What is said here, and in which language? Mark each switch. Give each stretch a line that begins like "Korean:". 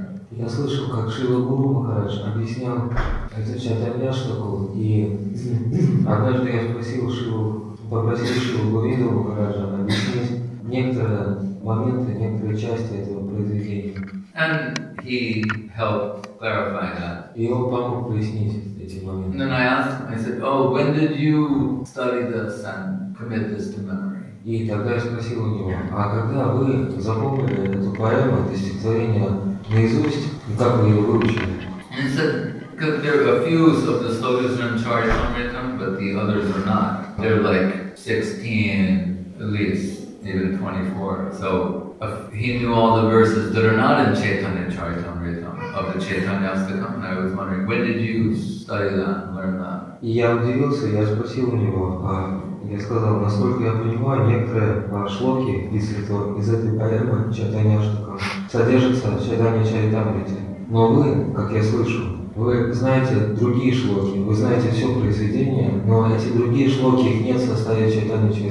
Russian: Я слышал, как Шрила Гуру Махарадж объяснял эту Чайтаньяштаку, и однажды я попросил Шрилу Говинду Махараджа объяснить некоторые моменты, некоторые части этого произведения.
English: And he helped clarify that.
Russian: И он помог пояснить эти моменты.
English: And then I asked him, I said, oh, when did you study this and commit this to memory?
Russian: И тогда я спросил у него, а когда вы запомнили эту поэму, это стихотворение наизусть, и как вы ее выучили?
English: And he said, because there are a few of the slogans in Charitamritam, but the others are not. They're like 16, at least, even 24. So, he knew all the verses that are not in Chaitanya Charitamrita of the Chaitanya Astakam, and I was wondering, when did you study that and learn that?
Russian: И я удивился, я спросил у него, я сказал, насколько я понимаю, некоторые шлоки из этой поэмы Чайтанья Аштакам содержатся в Чайтанья Чаритамрите. Но вы, как я слышу, вы знаете другие шлоки, вы знаете все произведение, но эти другие шлоки, их нет в составе Чайтанья